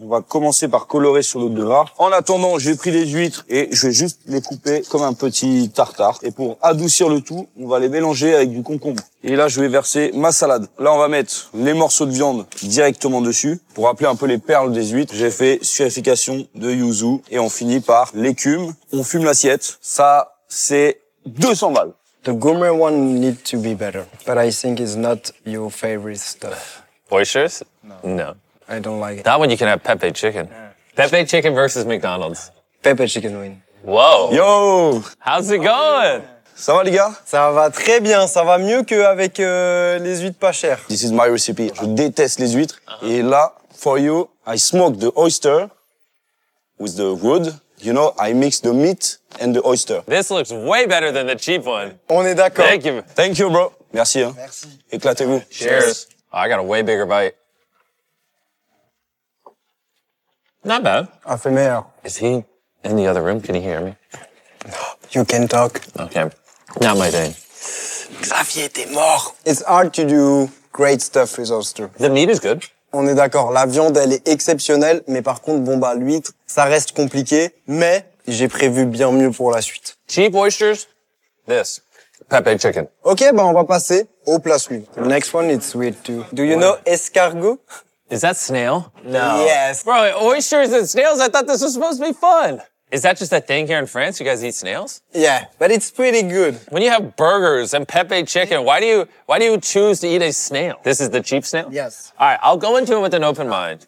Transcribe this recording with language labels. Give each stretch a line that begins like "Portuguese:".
French: On va commencer par colorer sur l'autre gras. En attendant, j'ai pris les huîtres et je vais juste les couper comme un petit tartare. Et pour adoucir le tout, on va les mélanger avec du concombre. Et là, je vais verser ma salade. Là, on va mettre les morceaux de viande directement dessus. Pour rappeler un peu les perles des huîtres, j'ai fait suréfication de yuzu. Et on finit par l'écume. On fume l'assiette. Ça, c'est 200 balles.
English: The gourmet one need to be better, but I think it's not your favorite stuff. Oysters? No. I don't like it. That one you can have Pepe chicken. Yeah. Pepe chicken versus McDonald's. Pepe chicken win. Whoa. Yo. How's it going?
French: Ça va les gars? Ça va très bien. Ça va mieux qu'avec les huîtres pas chères.
English: This is my recipe.
French: Je déteste les huîtres.
English: Uh-huh.
French: Et là,
English: for you, I smoke the oyster with the wood. You know, I mix the meat and the oyster. This looks way better than the cheap one.
French: On est d'accord.
English: Thank you. Thank you, bro.
French: Merci.
English: Hein.
French: Merci. Éclatez-vous.
English: Cheers. Oh, I got a way bigger bite. Not bad.
French: A fait meilleur.
English: Is he in the other room? Can he hear me? You can talk. Okay. Not my day.
French: Xavier était mort.
English: It's hard to do great stuff with oyster. The meat is good.
French: On est d'accord, la viande, elle est exceptionnelle, mais par contre, bon bah, l'huître, ça reste compliqué, mais j'ai prévu bien mieux pour la suite.
English: Cheap oysters, this, Pepe chicken.
French: Ok, bah on va passer au plat suivant.
English: Next one, it's weird too. Do you know escargot? Is that snail? No. Yes. Bro, oysters and snails, I thought this was supposed to be fun. Is that just a thing here in France? You guys eat snails? Yeah, but it's pretty good. When you have burgers and Pepe chicken, why do you choose to eat a snail? This is the cheap snail? Yes. All right, I'll go into it with an open mind.